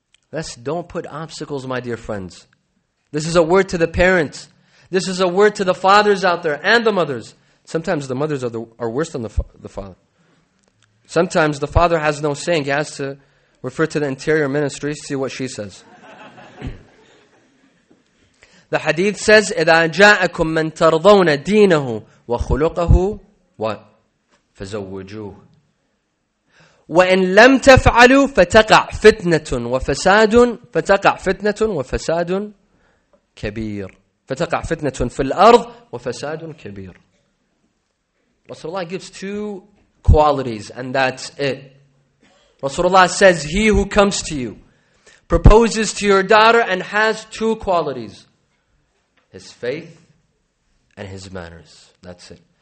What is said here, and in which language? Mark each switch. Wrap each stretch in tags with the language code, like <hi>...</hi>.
<en>Let's don't put obstacles, my dear friends. This is a word to the parents. This is a word to the fathers out there and the mothers. Sometimes the mothers are worse than the father. Sometimes the father has no saying. He has to refer to the interior ministry, see what she says. The hadith says,</en> <ar>إِذَا جَاءَكُمْ مَنْ تَرْضَوْنَ دِينَهُ وَخُلُقَهُ</ar> <en>what?</en> <ar>فَزَوَّجُوهُ وَإِن لَمْ تَفْعَلُوا فَتَقَعْ فِتْنَةٌ وَفَسَادٌ فَتَقَعْ فِتْنَةٌ وَفَسَادٌ كبير فتقع فتنة في الأرض وفساد كبير.</ar> <en>Rasulullah gives two qualities and that's it. Rasulullah says, he who comes to you, proposes to your daughter and has two qualities, his faith and his manners. That's it.</en>